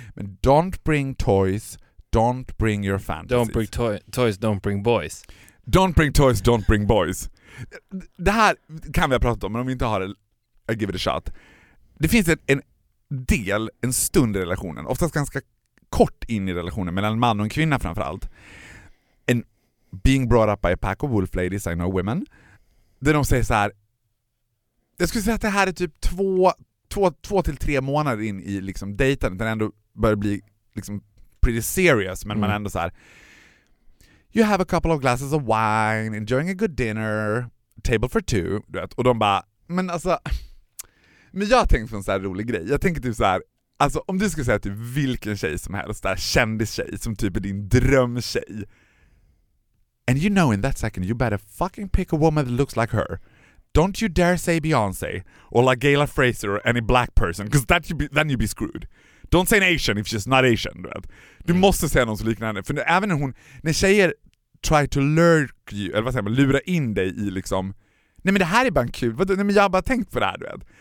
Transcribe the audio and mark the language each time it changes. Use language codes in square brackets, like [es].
[en] Men don't bring toys, don't bring your fantasies. Don't bring toys, don't bring boys. Don't bring toys, don't bring boys. [sv] Det här kan vi ha pratat om, men om vi inte har det, I give it a shot. Det finns en del, en stund i relationen, oftast ganska kort in i relationen, mellan en man och en kvinna framförallt. [en] And being brought up by a pack of wolf ladies, I know women. [sv] Där de säger så här, jag skulle säga att det här är typ två till tre månader in i liksom dejtandet, den ändå börjar bli liksom pretty serious, men man ändå så här, you have a couple of glasses of wine, enjoying a good dinner, table for two, du vet. Och de bara, men alltså, men jag tänkte på en så här rolig grej. Jag tänker typ så här, alltså om du skulle säga typ vilken tjej som helst, där kändis tjej som typ är din drömtjej, and you know in that second you better fucking pick a woman that looks like her. [en] Don't you dare say Beyoncé or like Gayla Fraser or any black person, because that you'd be screwed. Don't say an Asian if she's not Asian. Right? [sv] Du måste säga någon så liknande. För även när hon, när tjejer try to lurk you, eller vad säger man, lura in dig i liksom, nej men det här är bara kul, nej men jag har bara tänkt på det här, du vet.